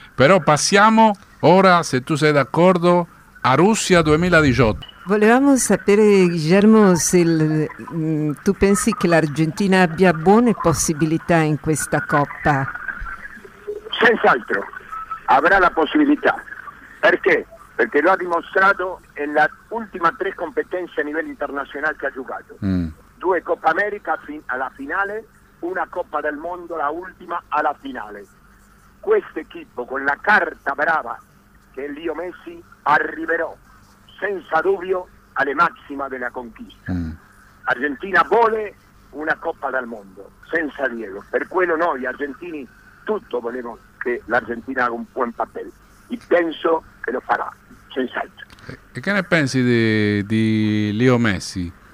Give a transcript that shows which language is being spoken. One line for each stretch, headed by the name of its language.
Italian: Però passiamo ora, se tu sei d'accordo, a Russia 2018. Volevamo sapere, Guillermo, se tu pensi che l'Argentina abbia buone possibilità in questa Coppa. Senz'altro, avrà la possibilità. Perché?
Spanish: Porque lo ha demostrado en las últimas tres competencias a nivel internacional que ha jugado. Mm. Due Copa América a la final, una Copa del Mundo, la última, a la final. Este equipo, con la carta brava que es Leo Messi,
Italian: arriverá, senza dubbio,
Spanish: a la máxima de la conquista. Mm.
Italian: Argentina vuole una Copa del Mundo, senza Diego. Per quello noi, argentini, tutto
Spanish: volemos que la Argentina haga un buen papel. Y pienso que lo hará.
Italian: E che ne pensi di Leo Messi?